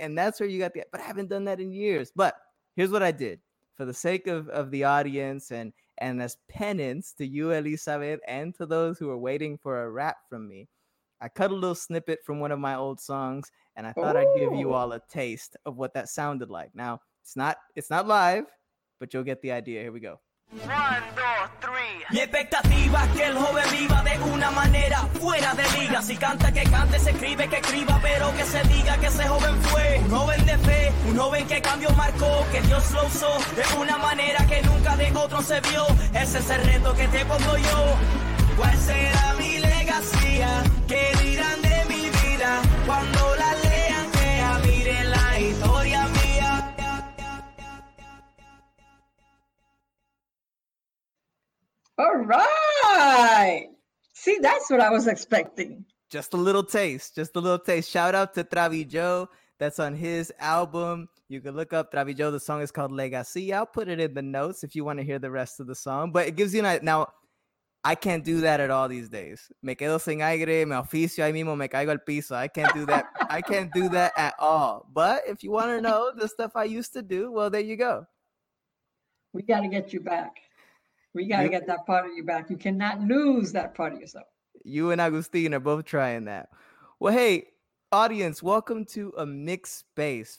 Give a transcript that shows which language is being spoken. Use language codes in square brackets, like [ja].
[en] And that's where you got the, but I haven't done that in years. But here's what I did for the sake of the audience and as penance to you, Elizabeth, and to those who are waiting for a rap from me, I cut a little snippet from one of my old songs, and I thought I'd give you all a taste of what that sounded like. Now, it's not live, but you'll get the idea. Here we go. [es] 1, 2, 3. Mi expectativa es que el joven viva de una manera fuera de liga. Si canta, que cante, se escribe, que escriba, pero que se diga que ese joven fue un joven de fe, un joven que cambió, marcó, que Dios lo usó de una manera que nunca de otro se vio. Ese es el reto que te pongo yo. ¿Cuál será mi legacy? ¿Qué dirán de mi vida cuando la lean? Que miren la historia. [en] All right. See, that's what I was expecting. Just a little taste. Shout out to Travi Joe. That's on his album. You can look up Travi Joe. The song is called Legacy. I'll put it in the notes if you want to hear the rest of the song. But it gives you an idea. Now, I can't do that at all these days. [es] Me quedo sin aire, me oficio ahí mismo, me caigo al piso. [en] I can't do that. I can't do that at all. But if you want to know the stuff I used to do, well, there you go. We got to get you back. We got to get that part of you back. You cannot lose that part of yourself. You and Agustin are both trying that. Well, hey, audience, welcome to a mixed space.